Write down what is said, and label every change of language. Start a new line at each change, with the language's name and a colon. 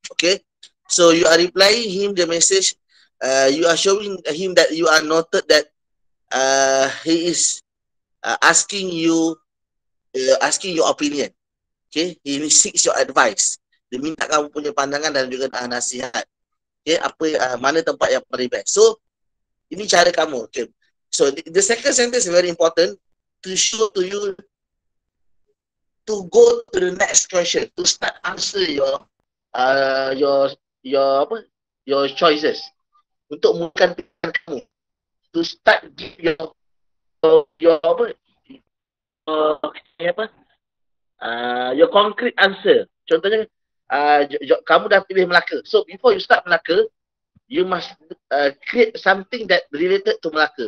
English: Okay, so you are replying him the message. You are showing him that you are noted that he is asking you, asking your opinion. Okay, he seeks your advice.
Malay: Dia minta kamu punya pandangan dan juga nasihat. Okay, apa mana tempat yang paling best. So, ini cara kamu.
English: Okay, so the second sentence is very important to show to you to go to the next question, to start answer your choices.
Malay: Untuk mulakan pilihan kamu.
English: To start give your concrete answer.
Malay: Contohnya, kamu dah pilih Melaka.
English: So, before you start Melaka, you must create something that related to Melaka.